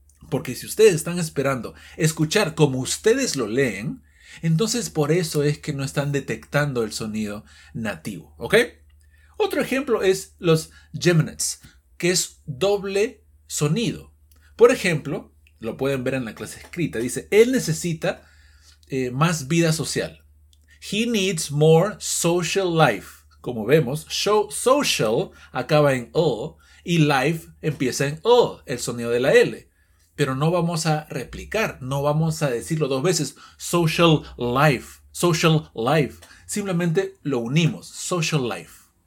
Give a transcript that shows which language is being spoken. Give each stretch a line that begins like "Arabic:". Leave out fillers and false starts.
Spanish: Porque si ustedes están esperando escuchar como ustedes lo leen, entonces por eso es que no están detectando el sonido nativo. ¿Ok? Otro ejemplo es los geminates, que es doble sonido. Por ejemplo, lo pueden ver en la clase escrita, dice, él necesita más vida social.
English: He needs more social life.
Spanish: Como vemos, social acaba en o y life empieza en o, el sonido de la L. Pero no vamos a replicar, no vamos a decirlo dos veces, social life, simplemente lo unimos, social life.